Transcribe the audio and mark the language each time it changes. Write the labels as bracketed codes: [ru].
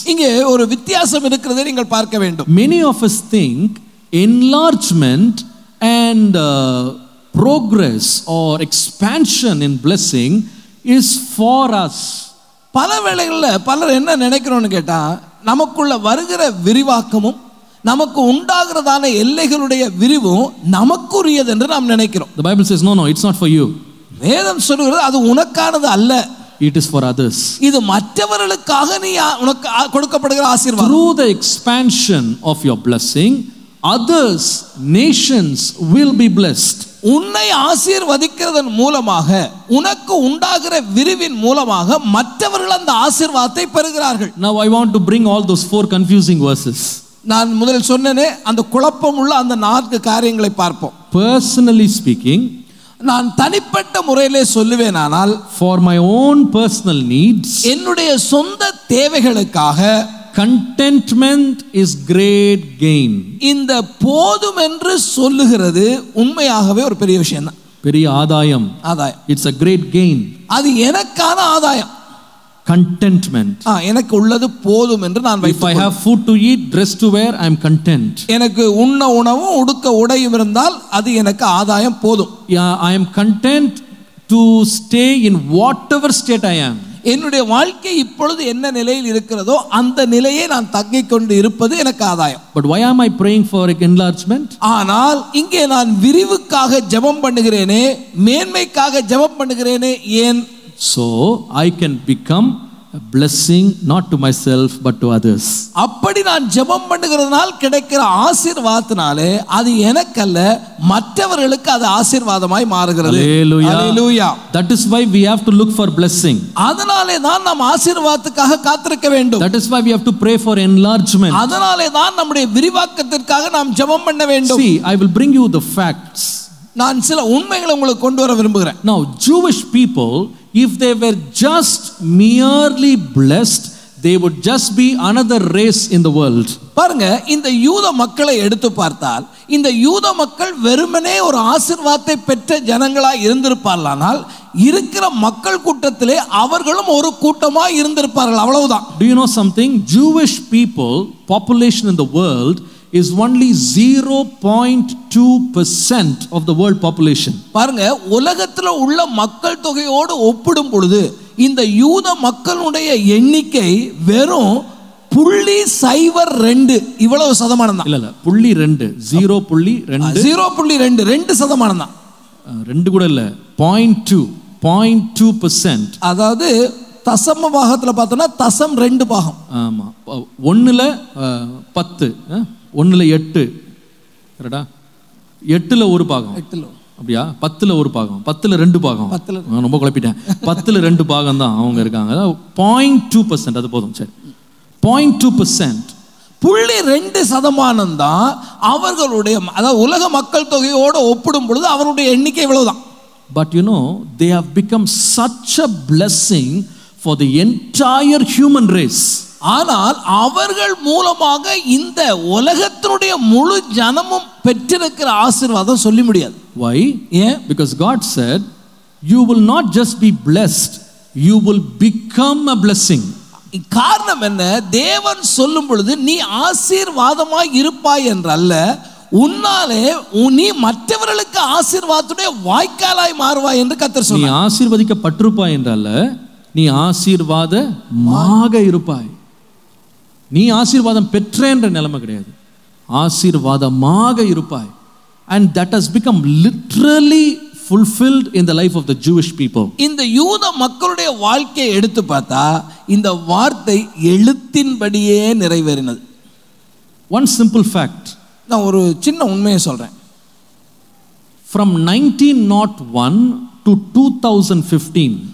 [ta] இங்க ஒரு வித்தியாசம் இருக்கிறதை நீங்கள் பார்க்க வேண்டும். [en] Many of us think enlargement and progress or expansion in blessing is for us. [ta] பல வேளைகளில் பலர் என்ன நினைக்கிறோம்னு கேட்டா, நமக்குள்ள வருகிற விரிவாக்கமும் நமக்கு உண்டாகிறதான எல்லைகளுடைய விரிவும் நமக்குரியது என்று நாம் நினைக்கிறோம். [en] The Bible says, no, it's not for you. [ta] வேதம் சொல்கிறது அது உனக்கானது அல்ல. [en] It is for others. [ta] இது மற்றவர்களுக்காக நீ உனக்கு கொடுக்கப்படுகிற ஆசீர்வாதம். [en] Through the expansion of your blessing, others, nations will be blessed. [ta] உன்னை ஆசீர்வதிக்கிறதன் மூலமாக, உனக்கு உண்டாகிற விரிவின் மூலமாக மற்றவர்கள் அந்த ஆசீர்வாதத்தை பெறுகிறார்கள். [en] Now I want to bring all those four confusing verses. [ta] நான் முதலில் சொன்னேனே அந்த குழப்பமுள்ள அந்த நான்கு காரியங்களை பார்ப்போம். [en] Personally speaking, [ta] நான் தனிப்பட்ட முறையிலே சொல்லுவேனானால், [en] for my own personal needs, [ta] என்னுடைய சொந்த தேவைகளுக்காக, [en] contentment is great gain. [ta] இந்த போதும் என்று சொல்லுகிறது உண்மையாகவே ஒரு பெரிய விஷயம் தான். பெரிய ஆதாயம். ஆதாயம். [en] It's a great gain. [ta] அது எனக்கான ஆதாயம். [en] Contentment. [ta] எனக்கு உள்ளது போதும் என்று நான் வைத்துக் கொள்வேன். [en] If I have food to eat, dress to wear, I am content. [ta] எனக்கு உண்ண உணவும் உடுக்க உடையும் இருந்தால் அது எனக்கு ஆதாயம் போதும். [en] I am content to stay in whatever state I am. [ta] என்னுடைய வாழ்க்கை இப்பொழுது என்ன நிலையில் இருக்கிறதோ அந்த நிலையை நான் தங்கிக் கொண்டு இருப்பது எனக்கு ஆதாயம். [en] But why am I praying for enlargement? [ta] ஆனால் இங்கே நான் விரிவுக்காக ஜெபம் பண்ணுகிறேனே, மேன்மைக்காக ஜெபம் பண்ணுகிறேனே, ஏன்? [en] So I can become a blessing not to myself but to others. [ta] அப்படி நான் ஜெபம் பண்ணுகிறதனால் கிடைக்கிற ஆசீர்வாதத்தினாலே அது எனக்கல்ல மற்றவர்களுக்கு அது ஆசீர்வாதமாய் மாறுகிறது. [en] Hallelujah. Hallelujah. That is why we have to look for blessing. [ta] அதனாலே தான் நாம் ஆசீர்வாதத்துக்காக காத்திருக்க வேண்டும். [en] That is why we have to pray for enlargement. [ta] அதனாலே தான் நம்முடைய விரிவாக்கத்திற்காக நாம் ஜெபம் பண்ண வேண்டும். [en] See, I will bring you the facts. [ta] நான் சில உண்மைகளை உங்களுக்கு கொண்டு வர விரும்புகிறேன். [en] Now Jewish people, if they were just merely blessed, they would just be another race in the world. [ta] பாருங்க, இந்த யூத மக்களை எடுத்து பார்த்தால், இந்த யூத மக்கள் வெறுமனே ஒரு ஆசீர்வாதத்தை பெற்ற ஜனங்களாய் இருந்திருப்பார்களானால், இருக்கிற மக்கள் கூட்டத்திலே அவர்களும் ஒரு கூட்டமாய் இருந்திருப்பார்கள். அவ்வளவுதான். [en] Do you know something? Jewish people population in the world is only 0.2% of the world population. [ta] பாருங்க, உலகத்துல உள்ள மக்கள் தொகையோடு ஒப்பிடும் பொழுது இந்த யூத மக்களுடைய எண்ணிக்கை வெறும் 0.2% இவ்வளவு சதமானம் தான். இல்ல இல்ல, 0.2% தான். ரெண்டு கூட இல்ல, 0.2%. அதாவது தசம பாகத்துல பார்த்தோம்னா தசம் ரெண்டு பாகம். ஆமா, ஒண்ணுல பத்து, ஒன்னுல எட்டு, கரெக்டா? எட்டுல ஒரு பாகம், எட்டுல அப்படியா? பத்துல ஒரு பாகம், பத்துல ரெண்டு பாகம், பத்துல ரொம்ப குழப்பிட்டேன், பத்துல ரெண்டு பாகம் தான் அவங்க இருக்காங்க. 0.2%, அது போதும். சரி, 0.2%, 0.2% தான் அவர்களுடைய, அதாவது உலக மக்கள் தொகையோடு ஒப்பிடும் பொழுது அவருடைய எண்ணிக்கை இவ்வளவுதான். [en] But you know, they have become such a blessing for the entire human race. [ta] ஆனால் அவர்கள் மூலமாக இந்த உலகத்தினுடைய முழு ஜனமும் பெற்றிருக்கிற ஆசீர்வாதம் சொல்ல முடியாது. [en] Why? Yeah, because God said, you will not just be blessed, you will become a blessing. [ta] காரணம் என்ன? தேவன் சொல்லும் பொழுது நீ ஆசீர்வாதமாய் இருப்பாய் என்றல்ல, உன்னாலே நீ மற்றவர்களுக்கு ஆசீர்வாதத்துடைய வாய்க்காலாய் மாறுவாய் என்று கர்த்தர் சொல்றார். நீ ஆசீர்வதிக்கப்பட்டிருப்பாய் என்றல்ல, நீ ஆசீர்வாதமாக இருப்பாய். நீ ஆசீர்வாதம் பெற்றேன்ற நிலைமை கிடையாது, ஆசீர்வாதமாக இருப்பாய். [en] And that has become literally fulfilled in the life of the Jewish people. [ta] இந்த யூத மக்களுடைய வாழ்க்கையை எடுத்து பார்த்தா இந்த வார்த்தை எழுத்தின்படியே நிறைவேறினது. [en] One simple fact. [ta] நான் ஒரு சின்ன உண்மையை சொல்றேன். [en] From 1901 to 2015,